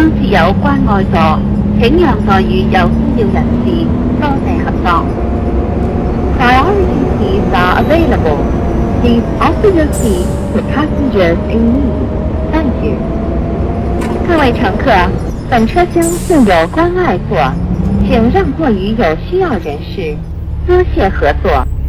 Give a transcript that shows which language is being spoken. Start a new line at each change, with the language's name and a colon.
Chinese: 有关外座，请让座与有需要人士，多谢合作。
English: Priority seats are available. Please offer your seat to passengers in need. Thank you.
Chinese: 各位乘客，本车厢设有关外座，请让座与有需要人士，多谢合作。